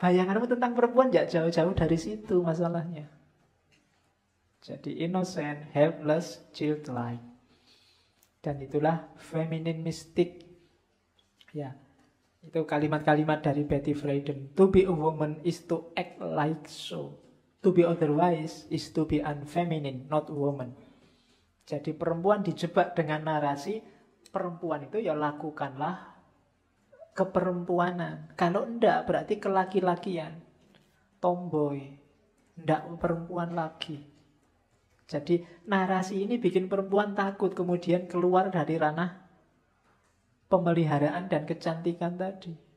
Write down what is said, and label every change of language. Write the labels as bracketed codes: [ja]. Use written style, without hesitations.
[id] Bayanganmu tentang perempuan gak jauh-jauh dari situ masalahnya. Jadi [en] innocent, helpless, childlike. [id] Dan itulah feminine mystic. Ya, itu kalimat-kalimat dari Betty Friedan. [en] To be a woman is to act like so. To be otherwise is to be unfeminine, not woman. [id] Jadi perempuan dijebak dengan narasi, perempuan itu ya lakukanlah keperempuanan. Kalau enggak berarti kelaki-lakian, tomboy, enggak perempuan lagi. Jadi narasi ini bikin perempuan takut kemudian keluar dari ranah pemeliharaan dan kecantikan tadi.